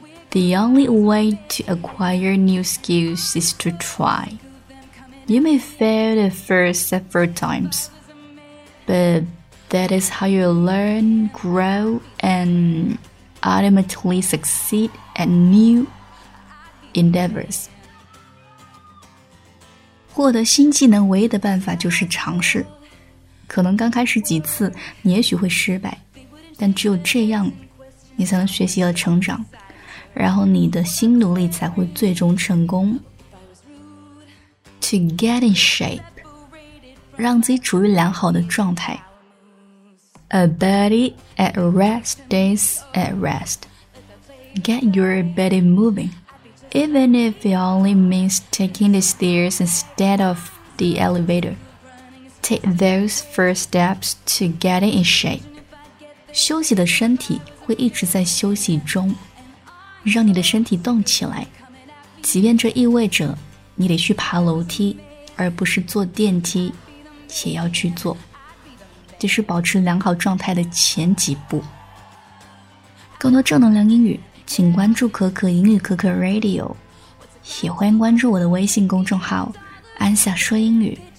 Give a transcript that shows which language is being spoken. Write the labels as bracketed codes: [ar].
[en] The only way to acquire new skills is to try. You may fail the first several times, but that is how you learn, grow, and ultimately succeed at new endeavors. [zh] 获得新技能唯一的办法就是尝试。可能刚开始几次你也许会失败，但只有这样你才能学习和成长，然后你的新努力才会最终成功。 [en] To get in shape， [zh] 让自己处于良好的状态。 [en] A body at rest stays at rest， Get your body moving， Even if it only means taking the stairs instead of the elevatorTake those first steps to getting in shape. [zh] 休息的身体会一直在休息中，让你的身体动起来，即便这意味着你得去爬楼梯，而不是坐电梯，也要去做。这是保持良好状态的前几步。更多正能量英语，请关注可可英语可可 Radio， 也欢迎关注我的微信公众号安夏说英语。